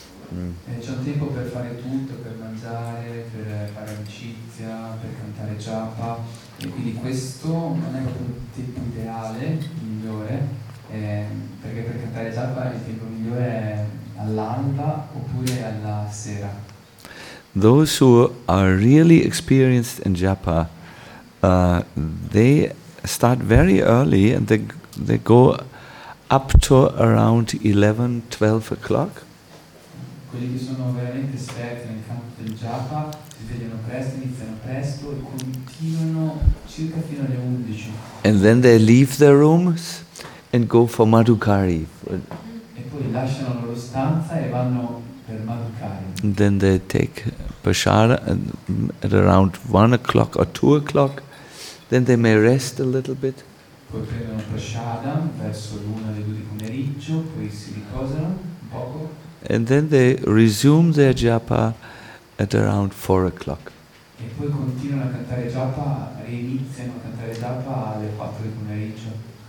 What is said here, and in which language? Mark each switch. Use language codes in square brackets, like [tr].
[it] E c'è un tempo per fare tutto, per mangiare, per fare amicizia, per cantare japa. E quindi questo non è proprio il tempo ideale, migliore. Perché per cantare japa il tempo migliore è all'alba oppure alla sera. [en] Those who are really experienced in japa, they start very early and they go up to around 11, 12 o'clock. [it] Quelli che sono veramente esperti nel campo del japa si svegliano presto, iniziano presto e continuano circa fino alle 11. [en] And then they leave their rooms and go for Madhukari. [it] E poi lasciano la loro stanza e vanno per Madhukari. [en] Then they take prasada at around 1 o'clock or 2 o'clock. Then they may rest a little bit. [it] Poi prendono prasada verso l'una alle due di pomeriggio, poi si riposano un poco. [en] And then they resume their japa at around 4 o'clock. [it] E poi continuano a cantare japa, reiniziano a cantare japa alle 4 di pomeriggio.